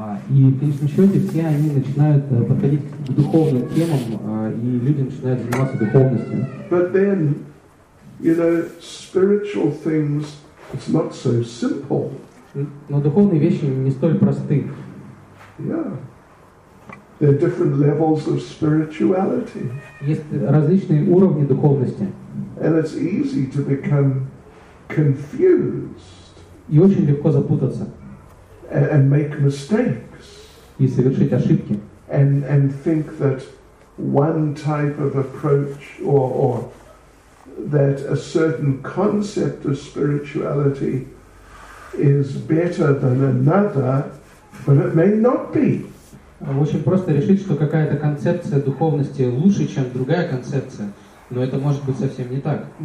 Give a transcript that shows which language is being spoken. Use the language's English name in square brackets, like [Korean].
[Russian] И в конечном счете все они начинают подходить к духовным темам, и люди начинают заниматься духовностью. [English] But then, you know, spiritual things, it's not so simple. [Russian] Но духовные вещи не столь просты. [English] Yeah. There are different levels of spirituality. [Russian] Есть различные уровни духовности. [English] And it's easy to become confused. [Russian] И очень легко запутаться. [English] And make mistakes. [Russian] И совершить ошибки. [English] And think that one type of approach or that a certain concept of spirituality is better than another. But it may not be. [Russian] Очень просто решить, что какая-то концепция духовности лучше, чем другая концепция, но это может быть совсем не так.